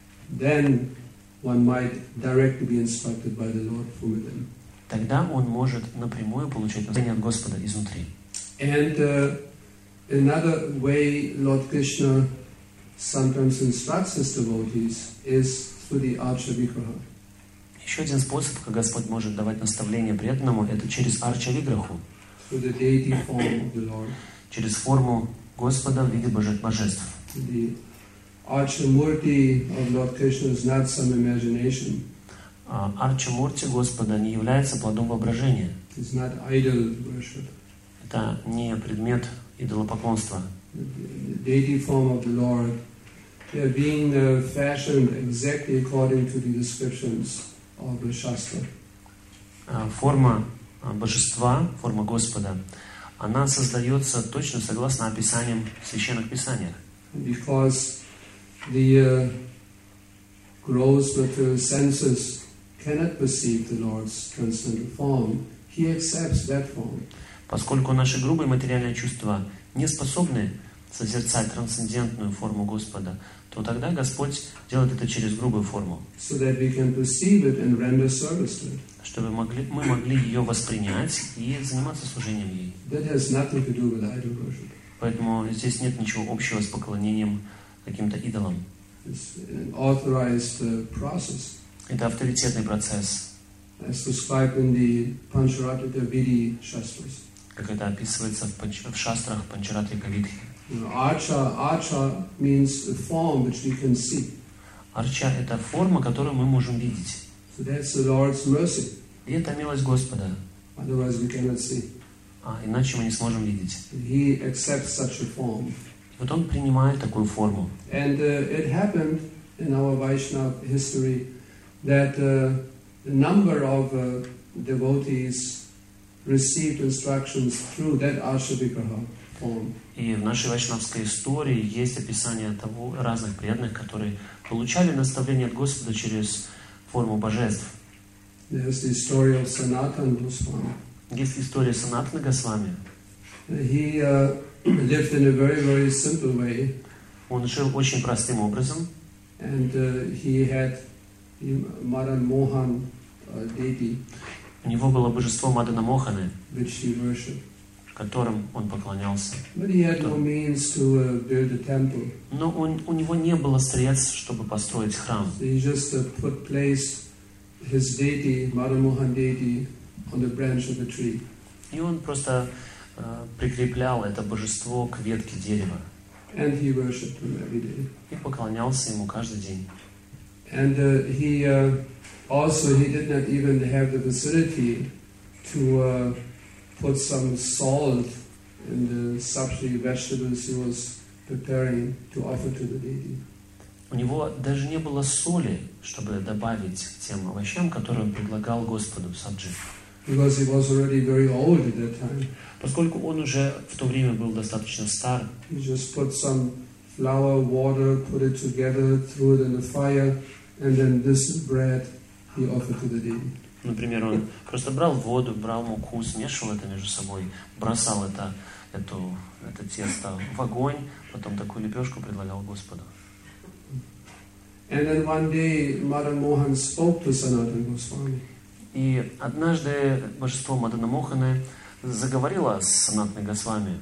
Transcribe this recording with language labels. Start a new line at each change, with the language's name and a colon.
English: Then one might directly be instructed by the Lord from within.
Russian: Тогда он может напрямую получать наставление от Господа изнутри.
English: And another way Lord Krishna sometimes instructs his devotees is through the Archa-Vigraha.
Russian: Еще один способ, как Господь может давать наставление преданному, это через Арча-Виграху.
English: Through the deity form of the Lord.
Russian: Через форму Господа в виде божеств.
English: Archamurti of Lord Krishna is not some imagination.
Russian: Archamurti Господа не является плодом воображения.
English: It's not idol worship.
Russian: Это не предмет идолопоклонства.
English: The deity form of the Lord, they are being fashioned exactly according to the descriptions of the Shastra.
Russian: Форма божества, форма Господа, она создается точно согласно описаниям в священных писаниях.
English: Because the gross material senses cannot perceive the Lord's transcendental form. He accepts that form.
Russian: Поскольку наши грубые материальные чувства не способны созерцать трансцендентную форму Господа, то тогда Господь делает это через грубую форму.
English: So that we can perceive it and render service to it.
Russian: Чтобы мы могли ее воспринять и заниматься служением ей.
English: That has nothing to do with idol worship.
Russian: Поэтому здесь нет ничего общего с поклонением каким-то идолом.
English: It's an authorized process.
Russian: Это авторитетный процесс.
English: As described in the Pancharatrika Vidhi Shastras.
Russian: Как это описывается в шастрах Pancharatrika Vidhi.
English: Archa means a form which we can see.
Russian: Archa — это форма, которую мы можем видеть.
English: So that's the Lord's mercy.
Russian: И это милость Господа.
English: Otherwise we cannot see.
Russian: Иначе мы не сможем видеть.
English: He accepts such a form.
Russian: Вот он принимает такую форму.
English: And it happened in our Vaishnava history that a number of devotees received instructions through that Ashwavikraha form.
Russian: И в нашей вайшнавской истории есть описание того разных преданных, которые получали наставление от Господа через форму божеств.
English: There's the story of Sanatana Goswami.
Russian: Есть история Санатана Госвами.
English: He lived in a very, very simple way.
Russian: Он жил очень простым образом.
English: And he had Madan Mohan Devi.
Russian: У него было божество Мадана Моханы,
English: which he worshipped.
Russian: Которым он поклонялся.
English: But he had no means to build a temple.
Russian: Но у него не было средств, чтобы построить храм.
English: So he just placed his deity, Madan Mohan Devi, on the branch of a tree.
Russian: И он просто прикреплял это божество к ветке дерева.
English: And he worshipped him every day.
Russian: И поклонялся ему каждый день.
English: And he did not even have the facility to put some salt in the sabji vegetables he was preparing to offer to the deity.
Russian: У него даже не было соли, чтобы добавить к тем овощам, которые он предлагал Господу сабджи.
English: Because he was already very old at that time.
Russian: Поскольку он уже в то время был достаточно стар.
English: He just put some flour, water, put it together, threw it in the fire, and then this bread he offered to the deity.
Russian: Например, он просто брал воду, брал муку, смешивал это между собой, бросал это тесто в огонь, потом такую лепешку предлагал Господу.
English: And then one day Madan Mohan spoke to Sanatana Goswami.
Russian: И однажды божество Мадана Моханы заговорило с Санатаной Госвами.